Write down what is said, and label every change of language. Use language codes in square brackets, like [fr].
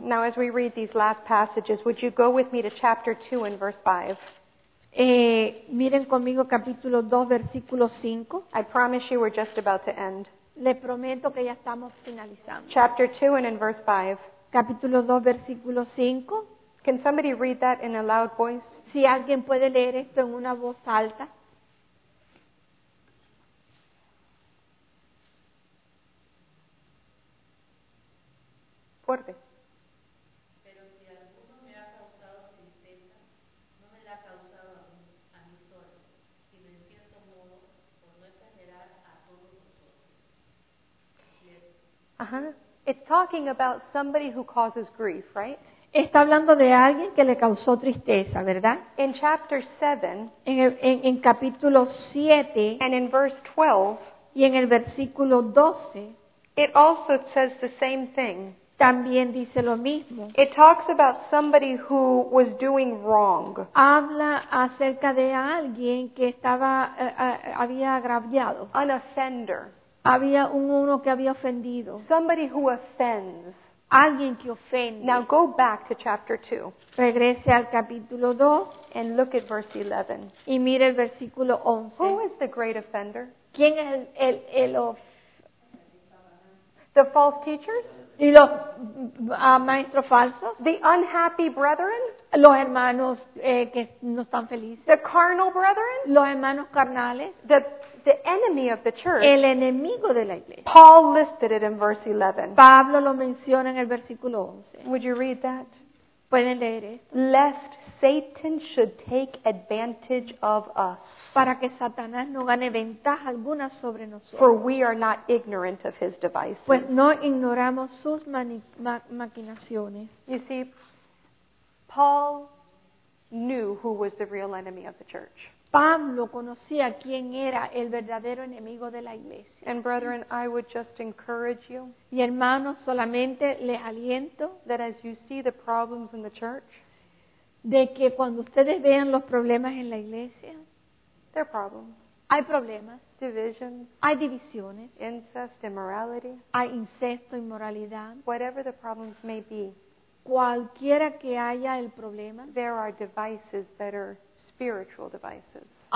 [en] Now, as we read these last passages, would you go with me to chapter 2 and verse 5? [es] Miren conmigo capítulo 2, versículo 5. [en] I promise you we're just about to end. [es] Le prometo que ya estamos finalizando. [en] Chapter 2 and in verse 5. [es] Capítulo 2, versículo 5. [en] Can somebody read that in a loud voice? [es] Si alguien puede leer esto en una voz alta. Fuerte. Uh-huh. [en] It's talking about somebody who causes grief, right? [es] Está hablando de alguien que le causó tristeza, ¿verdad? [en] In chapter 7, [es] en capítulo 7, [en] and in verse 12, [es] y en el versículo 12, [en] it also says the same thing. [es] También dice lo mismo. [en] It talks about somebody who was doing wrong. [es] Habla acerca de alguien que estaba había agraviado. [en] An offender. [es] Había uno que había ofendido. [en] Somebody who offends. [es] Alguien que ofende. [en] Now go back to chapter 2. [es] Regrese al capítulo 2. [en] And look at verse 11. [es] Y mire el versículo 11. [en] Who is the great offender? [es] ¿Quién es el [en] the false teachers? [es] ¿Y los maestros falsos? [en] The unhappy brethren? [es] Los hermanos que no están felices. [en] The carnal brethren? [es] Los hermanos carnales. [en] The enemy of the church. [es] El enemigo de la iglesia. [en] Paul listed it in verse 11. [es] Pablo lo menciona en el versículo 11. [en] Would you read that? [es] ¿Pueden leer esto? [en] Lest Satan should take advantage of us. [es] Para que Satanás no gane ventaja alguna sobre nosotros. [en] For we are not ignorant of his devices. [es] Pues no ignoramos sus maquinaciones. [en] You see, Paul knew who was the real enemy of the church. [es] Pablo conocía quién era el verdadero enemigo de la iglesia. [en] And brethren, I would just encourage you. [es] Y hermanos, solamente les aliento [en] that as you see the problems in the church, [es] de que cuando ustedes vean los problemas en la iglesia, [en] there are problems. [es] Hay problemas, [en] divisions, [es] hay divisiones, [en] incest, immorality, [es] hay incesto, inmoralidad, [en] whatever the problems may be, [es] cualquiera que haya el problema, [en] there are devices that are spiritual devices.